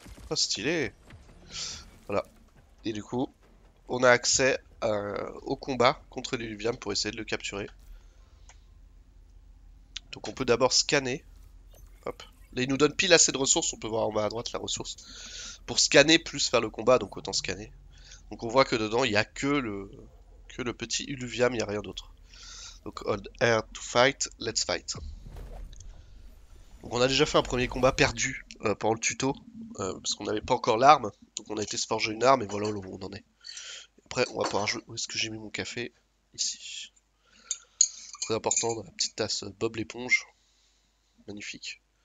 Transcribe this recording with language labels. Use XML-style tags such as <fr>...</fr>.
<fr>Oh, stylé. Voilà. Et du coup, on a accès au combat contre l'Illuvium pour essayer de le capturer. Donc on peut d'abord scanner. Hop. Là, il nous donne pile assez de ressources. On peut voir en bas à droite la ressource. Pour scanner plus faire le combat, donc autant scanner. Donc on voit que dedans, il n'y a que le petit Illuvium, il n'y a rien d'autre.</fr> <en>Donc hold R to fight, let's fight.</en> <fr>Donc on a déjà fait un premier combat perdu pendant le tuto. Parce qu'on n'avait pas encore l'arme. Donc on a été se forger une arme et voilà où on en est. Après, on va pouvoir jouer. Où est-ce que j'ai mis mon café? Ici. Très important, dans la petite tasse Bob l'éponge. Magnifique.</fr>